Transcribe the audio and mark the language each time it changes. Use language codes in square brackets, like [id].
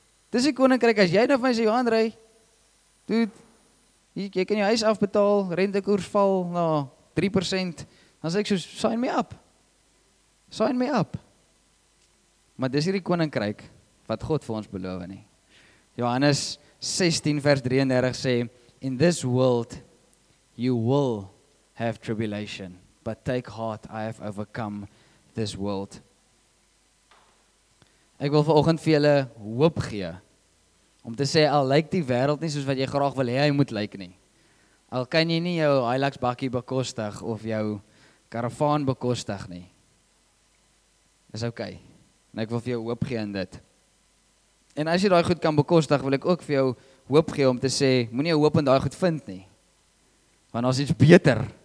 [af] Dis die koninkryk, as jy nou van my sê, Johan Rey, dude, jy kan jou huis afbetaal, rentekoers val na 3%, dan sê ek soos, [en] sign me up. [af] Maar dis hierdie koninkryk, wat God vir ons beloof nie. Johannes 16 vers 33 sê, [en] in this world, you will have tribulation, but take heart, I have overcome this world. [af] Ek wil vanoggend vir julle hoop gee, om te sê, al lyk die wêreld nie soos wat jy graag wil hê hy moet lyk nie. Al kan jy nie jou Hilux bakkie bekostig of jou karavaan bekostig nie. Is okay. En ek wil vir jou hoop gee in dit. En as jy daai goed kan bekostig, wil ek ook vir jou hoop gee om te sê, moenie jou hoop in daai goed vind nie. Want daar's iets beter.